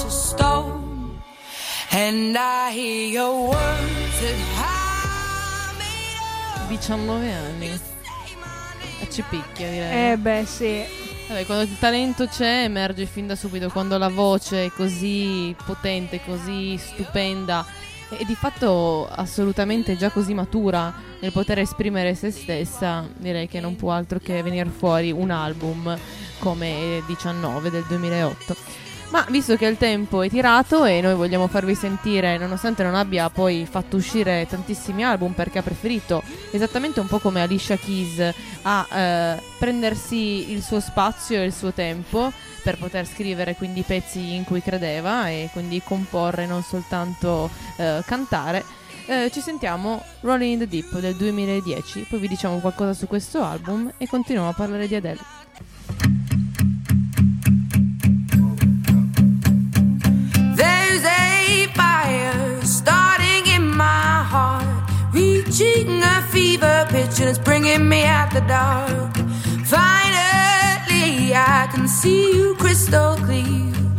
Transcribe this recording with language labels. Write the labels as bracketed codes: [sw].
[en] And I hear your words and how [it] 19 anni. E ci picchia, direi. Eh beh, sì. Vabbè, quando il talento c'è, emerge fin da subito. Quando la voce è così potente, così stupenda, e di fatto assolutamente già così matura nel poter esprimere se stessa, direi che non può altro che venire fuori un album come 19 del 2008. Ma visto che il tempo è tirato e noi vogliamo farvi sentire, nonostante non abbia poi fatto uscire tantissimi album, perché ha preferito, esattamente un po' come Alicia Keys, a prendersi il suo spazio e il suo tempo per poter scrivere quindi i pezzi in cui credeva e quindi comporre, non soltanto cantare, ci sentiamo Rolling in the Deep del 2010, poi vi diciamo qualcosa su questo album e continuiamo a parlare di Adele. [en] There's a fire starting in my heart, reaching a fever pitch and it's bringing me out the dark. Finally I can see you crystal clear.